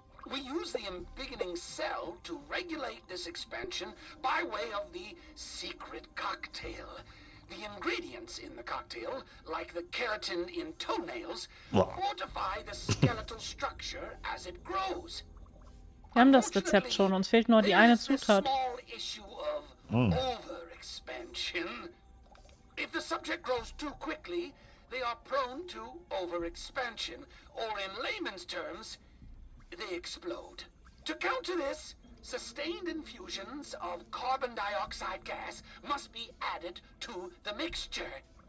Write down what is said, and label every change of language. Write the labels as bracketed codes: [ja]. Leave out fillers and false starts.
[en] We use the beginning cell to regulate this expansion by way of the secret cocktail. The ingredients in the cocktail, like the keratin in toenails, fortify the skeletal structure as it grows. [de] Wir haben das Rezept schon, uns fehlt nur die eine Zutat. [en] Overexpansion. If the subject grows too quickly, they are prone to overexpansion, or in layman's terms, they explode. To counter this, sustained infusions of carbon dioxide gas must be added to the mixture.